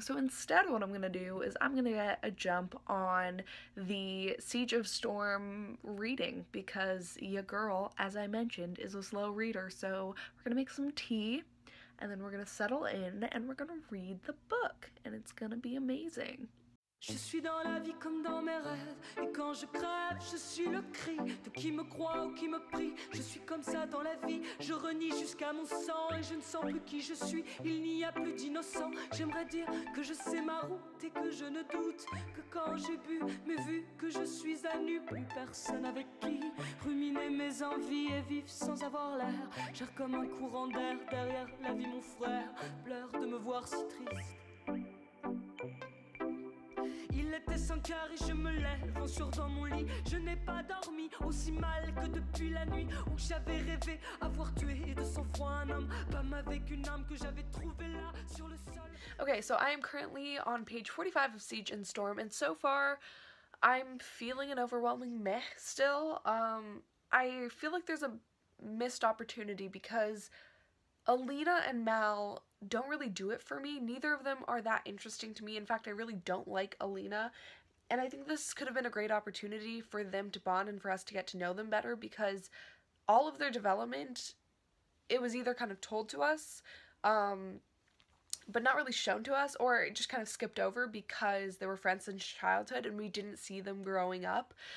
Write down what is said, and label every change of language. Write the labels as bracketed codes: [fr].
[en] So instead, what I'm gonna do is I'm gonna get a jump on the Siege of Storm reading, because your girl, as I mentioned, is a slow reader, so we're gonna make some tea, and then we're gonna settle in, and we're gonna read the book, and it's gonna be amazing. [fr] Je suis dans la vie comme dans mes rêves, et quand je crève, je suis le cri de qui me croit ou qui me prie. Je suis comme ça dans la vie, je renie jusqu'à mon sang, et je ne sens plus qui je suis, il n'y a plus d'innocent. J'aimerais dire que je sais ma route, et que je ne doute que quand j'ai bu, mais vu que je suis à nu, plus personne avec qui ruminer mes envies et vivre sans avoir l'air. J'erre comme un courant d'air derrière la vie, mon frère pleure de me voir si triste. Il était 5h et je me lève en sur dans mon lit. Je n'ai pas dormi aussi mal que depuis la nuit où j'avais rêvé avoir tué de sang froid un homme, comme avec une âme que j'avais trouvé là sur le sol. [en] Okay, so I am currently on page 45 of Siege and Storm, and so far I'm feeling an overwhelming meh still. I feel like there's a missed opportunity because Alina and Mal don't really do it for me. Neither of them are that interesting to me. In fact, I really don't like Alina, and I think this could have been a great opportunity for them to bond and for us to get to know them better, because all of their development, it was either kind of told to us, but not really shown to us, or it just kind of skipped over because they were friends since childhood and we didn't see them growing up.